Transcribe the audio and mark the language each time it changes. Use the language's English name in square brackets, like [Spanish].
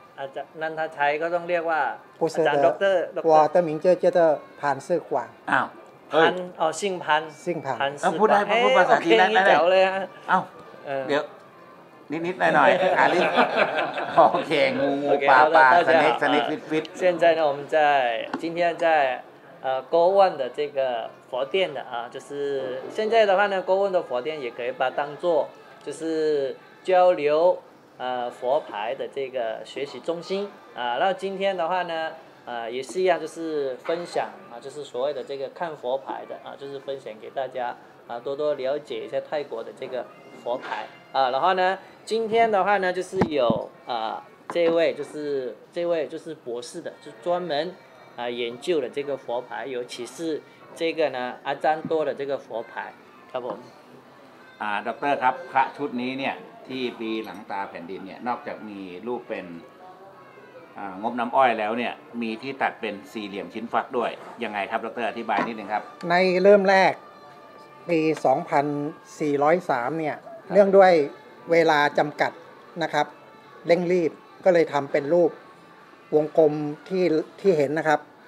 [Thai] อาจารย์นันทชัยก็ต้องเรียกว่าอาจารย์ด็อกเตอร์วอเตอร์มิงเจอร์เจเตอร์พันซื่อขวาง อ้าว พันเอาซิ่งพัน ซิ่งพัน พูดได้พูดภาษาจีนได้ไหม เดี๋ยวเลยฮะ อ้าวเดี๋ยวนิดๆหน่อยๆอาลิโอเคงูปลาปลาสนิทสนิทฟิต [Chinese] ๆ现在呢我们在今天在高温的这个佛殿的啊就是现在的话呢高温的佛殿也可以把当做就是交流佛牌的这个学习中心啊那今天的话呢也是一样就是分享啊就是所谓的这个看佛牌的啊就是分享给大家啊多多了解一下泰国的这个佛牌啊，然后呢，今天的话呢，就是有这位就是博士的，就专门研究的这个佛牌，尤其是这个呢阿占多的这个佛牌， [Thai] ครับผม ด็อกเตอร์ครับพระชุดนี้เนี่ยที่ปีหลังตาแผ่นดินเนี่ยนอกจากมีรูปเป็นงบน้ำอ้อยแล้วเนี่ยมีที่ตัดเป็นสี่เหลี่ยมชิ้นฟักด้วยยังไงครับด็อกเตอร์อธิบายนิดนึงครับ ในเริ่มแรกปี2403เนี่ยเนื่องด้วยเวลาจำกัดนะครับเร่งรีบก็เลยทำเป็นรูปวงกลมที่เห็นนะครับ